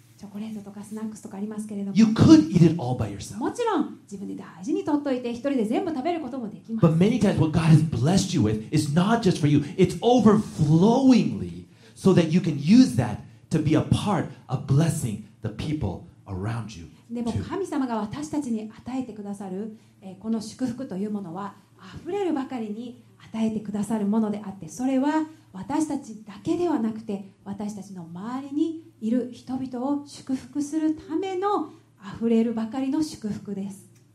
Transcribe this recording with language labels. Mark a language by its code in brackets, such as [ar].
[ja] チョコレートとかスナックスとかありますけれども [en] You could eat it all by yourself. [ja] もちろん自分で大事に取っておいて一人で全部食べることもできます [en] But many times what God has blessed you with is not just for you It's overflowingly so that you can use that to be a part of blessing the people around you [ja] でも神様が私たちに与えてくださる、この祝福というものは溢れるばかりに与えてくださるものであってそれは私たちだけではなくて私たちの周りにいる人々を祝福するためのあふれるばかりの祝福です。